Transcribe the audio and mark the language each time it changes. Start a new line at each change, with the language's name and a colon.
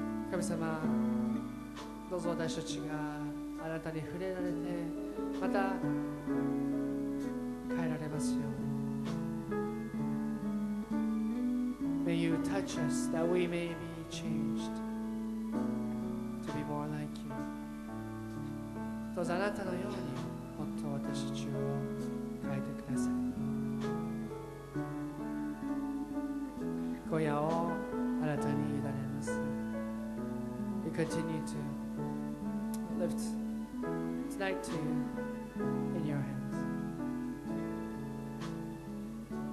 Japanese: 神様、どうぞ私たちがあなたに触れられて、また変えられますように。
English: May you touch us that we may be changed to be more like you.
Japanese: どうぞあなたのようにもっと私たちを変えてください。今夜をあなたに委ねます。
English: We continue to lift tonight to you in your hands.